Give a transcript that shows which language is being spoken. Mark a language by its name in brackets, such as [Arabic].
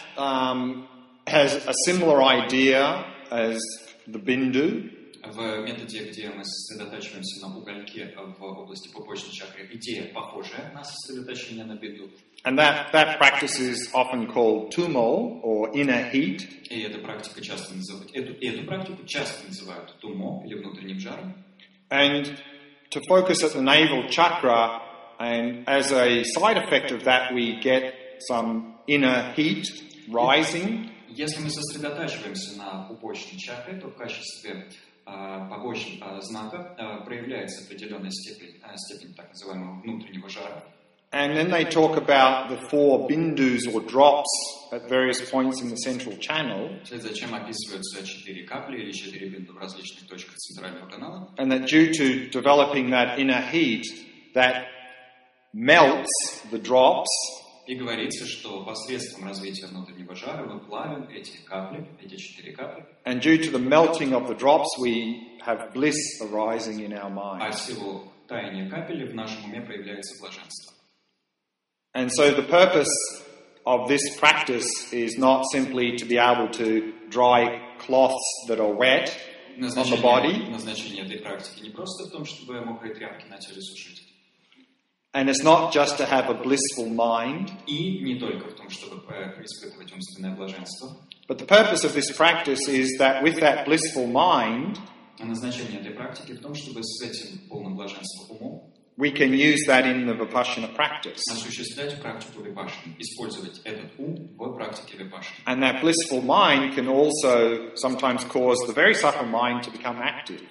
[English] That has a similar idea as the bindu. [Russian] В методе, где мы сосредотачиваемся на угольке в области пупочной чакры, идея похожая на сосредоточение на бинду. [English] And that practice is often called tumal or inner heat. [Russian] И эта практика часто называют эту практику часто называют тумо или внутренним жаром. [English] And to focus at the navel chakra, and as a side effect of that, we get some inner heat rising. [Russian] Если мы сосредотачиваемся на пупочной чакре, то в качестве побочного знака проявляется определенная степень так называемого внутреннего жара. [English] And then they talk about the four bindus or drops at various points in the central channel. [Russian] Зачем описываются четыре капли или четыре бинду в различных точках центрального канала? [English] And that due to developing that inner heat, that melts the drops. [Russian] И говорится, что посредством развития внутреннего жара мы плавим эти капли, эти четыре капли. [English] And due to the melting of the drops, we have bliss arising in our mind. [Russian] А в силу таяния капель в нашем уме проявляется блаженство. [English] And so the purpose of this practice is not simply to be able to dry cloths that are wet on the body. [Russian] Назначение этой практики не просто в том, чтобы мокрые тряпки на теле сушить. [English] And it's not just to have a blissful mind. [Russian] И не только в том, чтобы испытывать умственное блаженство. [English] But the purpose of this practice is that with that blissful mind, [Russian] назначение этой практики в том, чтобы с этим полным блаженством умом, [English] we can use that in the Vipassana practice. [Russian] Осуществлять практику Vipassana, использовать этот ум в практике Vipassana. [English] And that blissful mind can also sometimes cause the very subtle mind to become active.